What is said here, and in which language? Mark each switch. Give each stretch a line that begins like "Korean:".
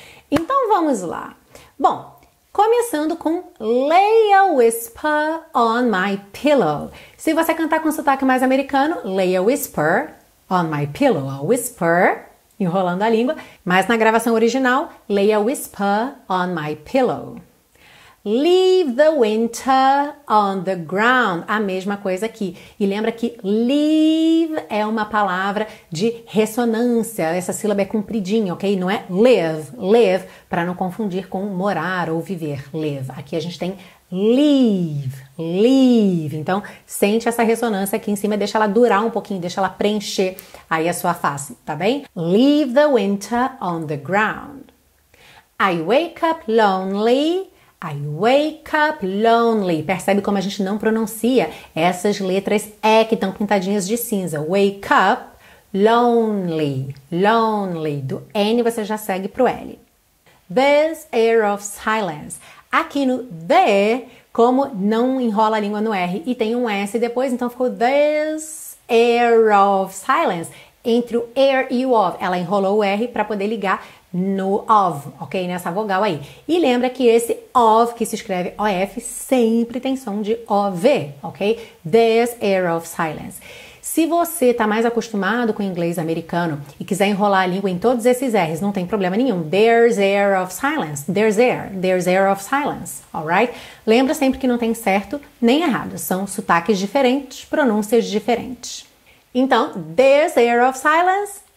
Portuguese: Então, vamos lá. Bom, começando com
English: Lay a whisper on my pillow.
Portuguese: Se você cantar com sotaque mais americano,
English: lay a whisper on my pillow. A whisper,
Portuguese: enrolando a língua. Mas na gravação original,
English: lay a whisper on my pillow. Leave the winter on the ground.
Portuguese: A mesma coisa aqui. E lembra que leave é uma palavra de ressonância. Essa sílaba é compridinha, ok? Não é live, live, para não confundir com morar ou viver, live. Aqui a gente tem leave, leave. Então, sente essa ressonância aqui em cima, deixa ela durar um pouquinho, deixa ela preencher aí a sua face, tá bem?
English: Leave the winter on the ground. I wake up lonely. I wake up lonely.
Portuguese: Percebe como a gente não pronuncia essas letras E que estão pintadinhas de cinza.
English: Wake up lonely. Lonely.
Portuguese: Do N você já segue pro L.
English: This air of silence.
Portuguese: Aqui no the, como não enrola a língua no R e tem um S depois, então ficou
English: this air of silence.
Portuguese: Entre o air e o of, ela enrolou o R para poder ligar no of, ok? Nessa vogal aí. E lembra que esse of, que se escreve OF, sempre tem som de OV, ok?
English: This air of silence.
Portuguese: Se você está mais acostumado com o inglês americano e quiser enrolar a língua em todos esses R's, não tem problema nenhum.
English: There's air of silence. There's air of silence, alright?
Portuguese: Lembra sempre que não tem certo nem errado. São sotaques diferentes, pronúncias diferentes. Então,
English: there's air of silence.